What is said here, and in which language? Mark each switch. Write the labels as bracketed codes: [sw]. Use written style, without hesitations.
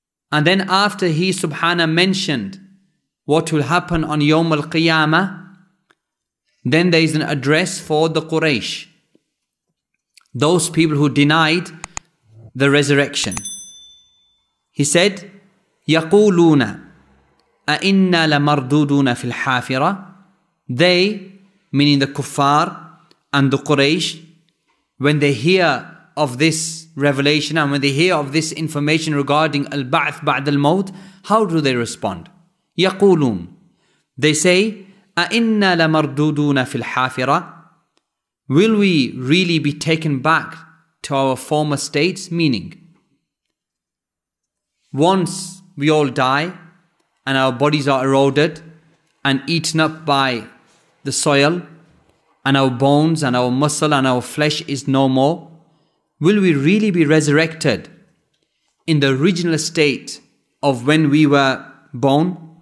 [en] And then after he subhanahu mentioned what will happen on Yawm al-Qiyamah, then there is an address for the Quraysh, those people who denied the resurrection. [ar] He said, يَقُولُونَ أَإِنَّا لَمَرْدُودُونَ فِي الْحَافِرَةِ. [en] They, meaning the Kuffar and the Quraysh, when they hear of this revelation and when they hear of this information regarding Al-Ba'ath Ba'd Al-Mawt, how do they respond? [ar] يَقُولُونَ, [en] they say, [ar] أَإِنَّا لَمَرْدُودُونَ فِي الْحَافِرَةِ. [en] Will we really be taken back to our former states? Meaning, once we all die and our bodies are eroded and eaten up by the soil, and our bones and our muscle and our flesh is no more, will we really be resurrected in the original state of when we were born?